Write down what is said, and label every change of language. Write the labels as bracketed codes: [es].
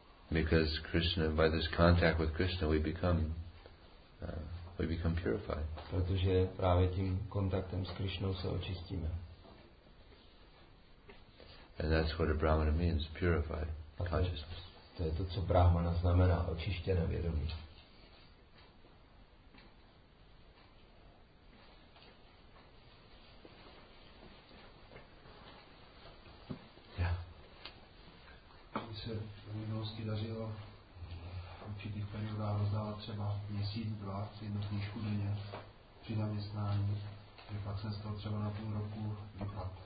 [en] Because Krishna, by this contact with Krishna, we become purified. [cs] Protože právě tím kontaktem s Krishnou se očistíme. [en] And that's what a brahmana means, purified consciousness. [cs] To je to, co brahmana znamená, očištěné vědomí. V minulosti dařilo v určitých periodách rozdávat třeba měsíc, dva, jednu knížku denně při zaměstnání, že pak jsem z toho třeba na půl roku vypad.